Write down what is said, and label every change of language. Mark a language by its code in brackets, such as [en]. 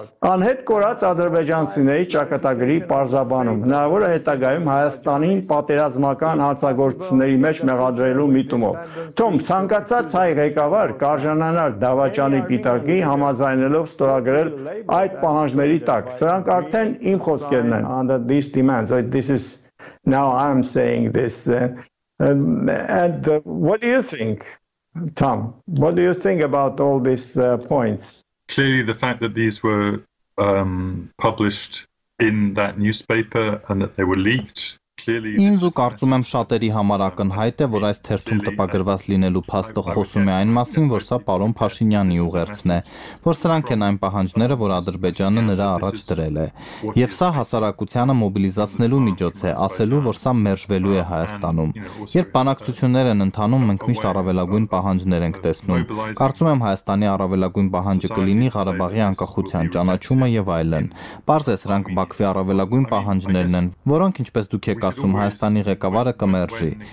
[hy] Անհետ կորած ադրբեջանցիների ճակատագրի պարզաբանում հնարավոր է հետագայում Հայաստանին պատերազմական հանցագործությունների մեջ մեղադրելու միտումով։ Թող ցանկացած հայ ղեկավար կարժանանար դավաճանի պիտակի, համաձայնելով ստորագրել այդ պահանջների տակ։ Սրանք արդեն իմ խոսքերն են։ [en] Under these demands, this is now I'm saying this. And what do you think, Tom? What do you think about all these points? Clearly, the fact that these were published in that newspaper and that they were leaked. [hy] Ինձ ու կարծում եմ շատերի համար ակնհայտ է, որ այս թերթում տպագրված լինելու փաստը խոսում է այն մասին, որ սա պարոն Փաշինյանի ուղերձն է, որ սրանք են այն պահանջները, որ Ադրբեջանը նրա առաջ դրել է, եւ սա հասարակությանը մոբիլիզացնելու միջոց է, ասելու, որ սա մերժվելու է Հայաստանում։ Երբ բանակցություններ են ընթանում, մենք միշտ առավելագույն պահանջներ ենք տեսնում։ Կարծում եմ Հայաստանի առավելագույն պահանջը կլինի Ղարաբաղի անկախության ճանաչումը եւ այլն։ Պարզ է, սրանք Բաքվի առավելագույն պահանջներն են, որոնք, ինչպես դուք ասում, Հայաստանի ղեկավարը կմերժի։